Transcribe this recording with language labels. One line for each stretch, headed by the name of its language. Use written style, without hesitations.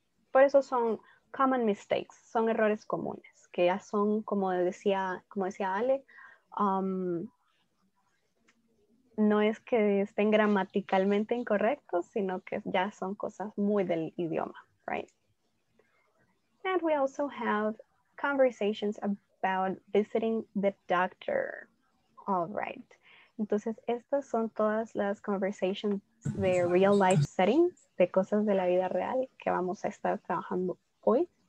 Spanish: Por eso son
English: common mistakes,
Spanish: son errores comunes, que ya son, como decía Ale, no es que estén gramaticalmente incorrectos, sino que ya son cosas muy del idioma, right?
English: And we also have conversations about visiting the doctor. All right.
Spanish: Entonces, estas son todas las conversations de
English: real life settings,
Spanish: de cosas de la vida real que vamos a estar trabajando hoy.